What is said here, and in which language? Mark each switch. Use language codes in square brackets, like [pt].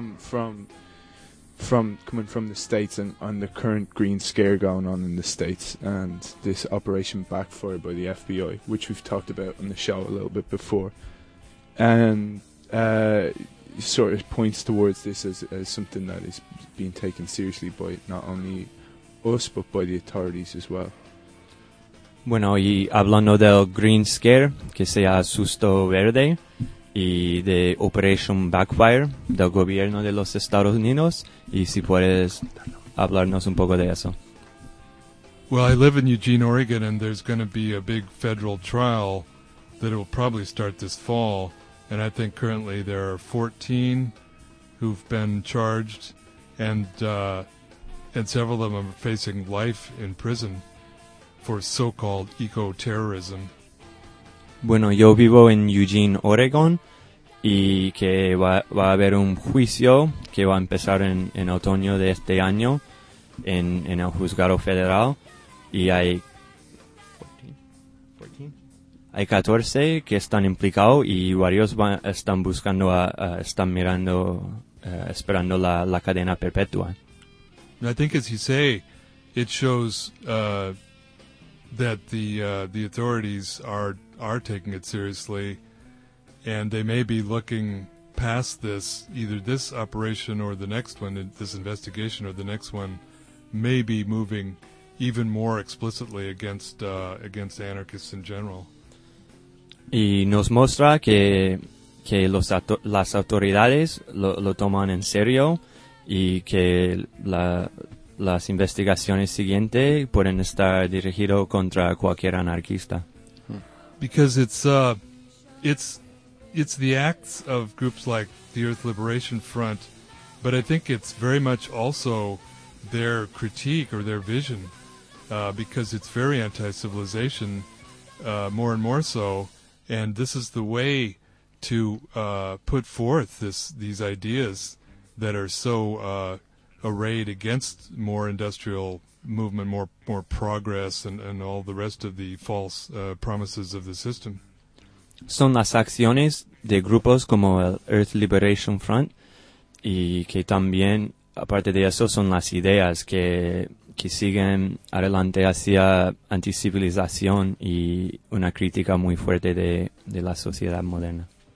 [en] coming from the States and the current green scare going on in the States, and this operation backfired by the FBI, which we've talked about on the show a little bit before, and sort of points towards this as something that is being taken seriously by not only us, but by the authorities as well. [es] Bueno, y hablando del Green Scare, que sea susto verde, y de Operation Backfire del gobierno de los Estados Unidos, y si puedes hablarnos un poco de eso. [en] Well, I live in Eugene, Oregon, and there's going to be a big federal trial that will probably start this fall. And I think currently there are 14 who've been charged, and several of them are facing life in prison for so-called eco-terrorism. [es] Bueno, yo vivo en Eugene, Oregon, y que va a haber un juicio que va a empezar en otoño de este año en el juzgado federal, y hay... 14? Hay 14 que están implicados, y varios están buscando, están mirando, esperando la cadena perpetua. [en] I think, as you say, it shows that the authorities are taking it seriously, and they may be looking past this, either this operation or the next one, this investigation or the next one, may be moving even more explicitly against anarchists in general. [es] Y nos muestra que las autoridades lo toman en serio, y que las investigaciones siguientes pueden estar dirigidas contra cualquier anarquista. [en] Because it's the acts of groups like the Earth Liberation Front, but I think it's very much also their critique or their vision, because it's very anti-civilization, more and more so. And this is the way to put forth these ideas that are so arrayed against more industrial movement, more progress, and all the rest of the false promises of the system. [es] Son las acciones de grupos como el Earth Liberation Front, y que también, aparte de eso, son las ideas que siguen adelante hacia anticivilización y una crítica muy fuerte de la sociedad moderna.